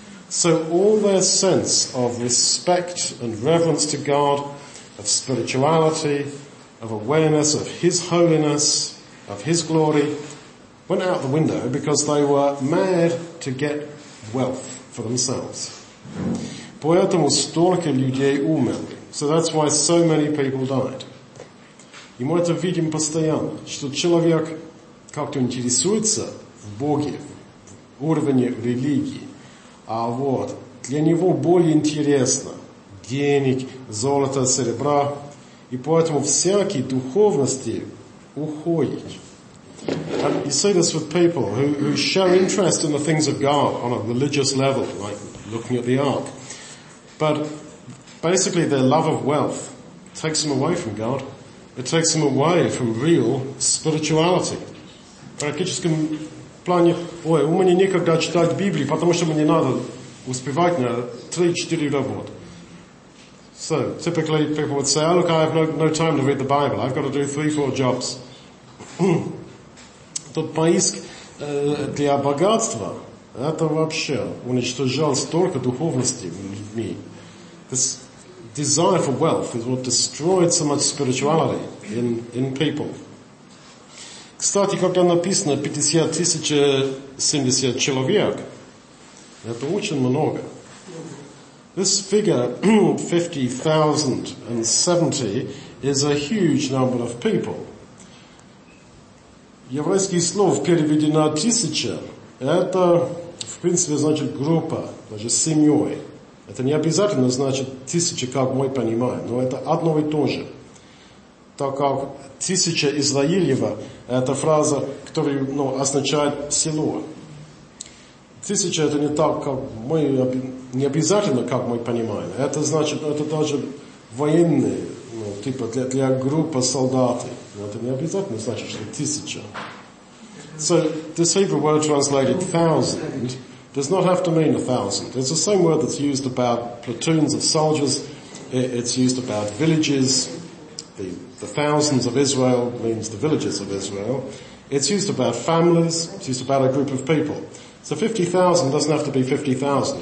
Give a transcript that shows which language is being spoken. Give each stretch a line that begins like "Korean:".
English: So all their sense of respect and reverence to God, of spirituality, of awareness of his holiness, of his glory, went out the window because they were mad to get wealth for themselves.
Russian: Поэтому столько людей умерли.
English: So that's why so many people died.
Russian: И мы это видим постоянно, что человек как-то интересуется в Боге, в уровне религии. А вот для него более интересно денег, золота, серебра. И поэтому всякие духовности уходят.
English: And you see this with people who show interest in the things of God on a religious level, like looking at the ark. But basically their love of wealth takes them away from God. It takes them away from real spirituality.
Russian: Практическом плане, ой, у меня некогда читать Библию, потому что мне надо успевать на 3-4 работы.
English: So, typically people would say, oh, look, I have no time to read the Bible. I've got to do 3-4 jobs.
Russian: Тот поиск для богатства, это вообще уничтожал столько духовности в людьми.
English: This desire for wealth is what destroyed so much spirituality in people.
Russian: Кстати, когда написано 50 070 человек, это очень много.
English: This figure, 50,070, is a huge number of people.
Russian: Еврейский слов переведено тысяча, это, в принципе, значит группа, значит семьей. Это не обязательно значит тысяча, как мы понимаем, но это одно и то же. Так как тысяча Израилева, это фраза, которая, ну, означает село. Тысяча это не так, как мы, не обязательно, как мы понимаем. Это значит, это даже военные, ну, типа для группы солдат. Это не обязательно значит, что тысяча.
English: So, this Hebrew word translated thousand does not have to mean a thousand. It's the same word that's used about platoons of soldiers. It's used about villages. The thousands of Israel means the villages of Israel. It's used about families. It's used about a group of people. So 50,000 doesn't have to be 50,000.